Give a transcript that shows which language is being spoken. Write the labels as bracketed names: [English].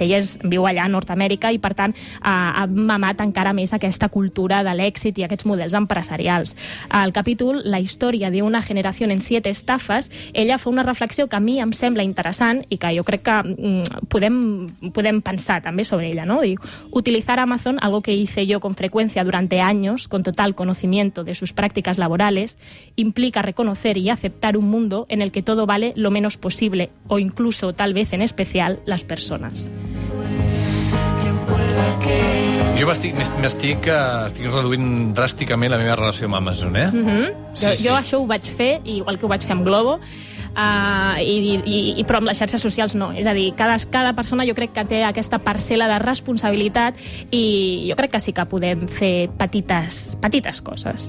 [Catalan] Ella viu allà a Nord-Amèrica i, per tant, ha mamat encara més aquesta cultura de l'èxit i aquests models empresarials. El capítol, La història d'una generació en 7 estafes, ella fa una reflexió que a mi em sembla interessant i que jo crec que podem pensar també sobre ella, no? [Spanish] Diu, utilizar Amazon, algo que hice yo con frecuencia durante años, con total conocimiento de sus prácticas laborales, implica reconocer y aceptar un mundo en el que todo vale lo menos posible, o incluso, tal vez en especial, las personas. [Catalan] Jo estic reduint dràsticament la meva relació amb Amazon, eh? Sí, jo això ho vaig fer, igual que ho vaig fer amb Glovo, però amb les xarxes socials no. És a dir, cada persona jo crec que té aquesta parcel·la de responsabilitat i jo crec que sí que podem fer petites coses.